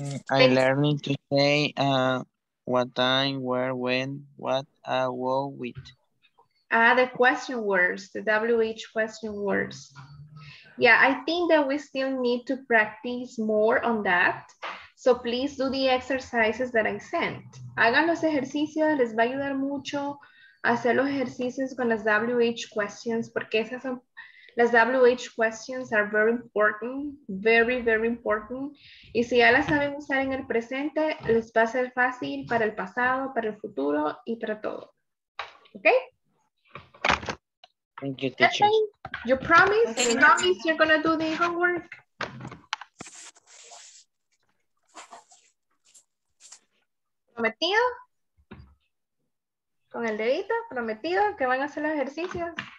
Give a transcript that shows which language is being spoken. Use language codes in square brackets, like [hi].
[en] I learned to say What time, where, when, what, what, with. The question words, the WH question words. Yeah, I think that we still need to practice more on that. So please do the exercises that I sent. [es] Hagan los ejercicios, les va a ayudar mucho hacer los ejercicios con las WH questions, porque esas son, las WH questions [en] are very important, very, very important. [es] Y si ya las saben usar en el presente, les va a ser fácil para el pasado, para el futuro y para todo. ¿Ok? [en] Thank you, teacher. Okay. You promise? Okay. You promise you're going to do the homework? [es] ¿Prometido? ¿Con el dedito? ¿Prometido que van a hacer los ejercicios?